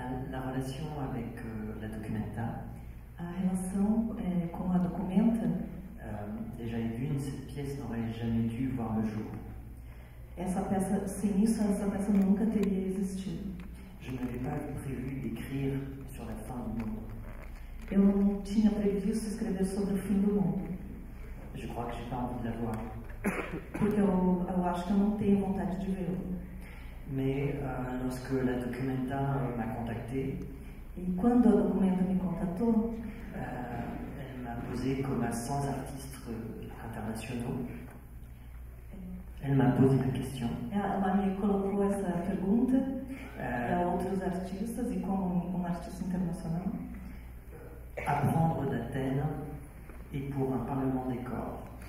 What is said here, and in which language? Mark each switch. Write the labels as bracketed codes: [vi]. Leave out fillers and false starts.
[fr] La relation avec la documenta. [pt] A relação com a documenta. [fr] Déjà une, cette pièce n'aurait jamais dû voir le jour. [pt] Essa peça, sem isso, essa peça nunca teria existido. [fr] Je n'avais pas prévu d'écrire sur la fin du monde. [pt] Eu não tinha previsto escrever sobre o fim do mundo. [fr] Je crois que j'ai pas envie de la voir. [pt] Porque eu acho que eu não tenho vontade de vê-lo. [fr] Mais lorsque la documenta m'a contacté, [pt] et quando a documenta me contactou, [fr] elle m'a posé comme à 100 artistes internationaux. Elle m'a posé la question. [pt] Ela me colocou essa pergunta a outros artistas e como um artista internacional. [fr] Apprendre d'Athènes et pour un parlement des corps.